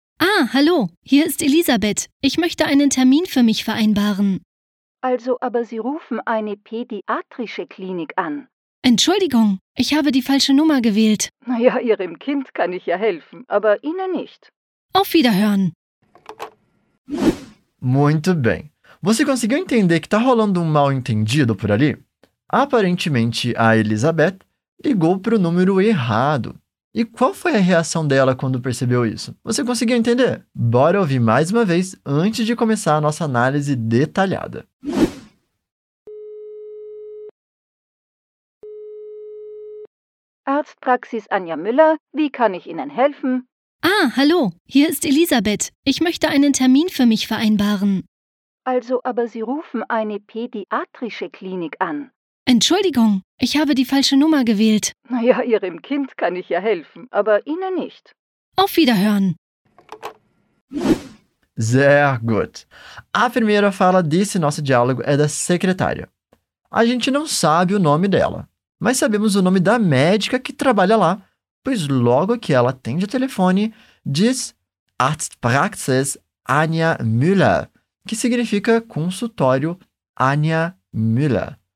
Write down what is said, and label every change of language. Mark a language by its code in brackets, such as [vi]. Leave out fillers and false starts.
[de] Ah, hallo, hier ist Elisabeth. Ich möchte einen Termin für mich vereinbaren. Also, aber Sie rufen eine pädiatrische Klinik an. Entschuldigung, ich habe die falsche Nummer gewählt. Naja, Ihrem Kind kann ich ja helfen, aber Ihnen nicht. Auf Wiederhören. [pt] Muito bem. Você conseguiu entender que tá rolando mal-entendido por ali? Aparentemente, a Elizabeth ligou pro número errado. E qual foi a reação dela quando percebeu isso? Você conseguiu entender? Bora ouvir mais uma vez antes de começar a nossa análise detalhada. [de] Arztpraxis Anja Müller, wie kann ich Ihnen helfen? Ah, hallo, hier ist Elisabeth. Ich möchte einen Termin für mich vereinbaren. Also, aber Sie rufen eine pädiatrische Klinik an. Entschuldigung, ich habe die falsche Nummer gewählt. Naja, Ihrem Kind kann ich ja helfen, aber Ihnen nicht. Auf Wiederhören. Sehr gut. [pt] A primeira fala desse nosso diálogo é da secretária. A gente não sabe o nome dela, mas sabemos o nome da médica que trabalha lá, pois logo que ela atende o telefone, diz Arztpraxis Anja Müller, que significa consultório Anja Müller.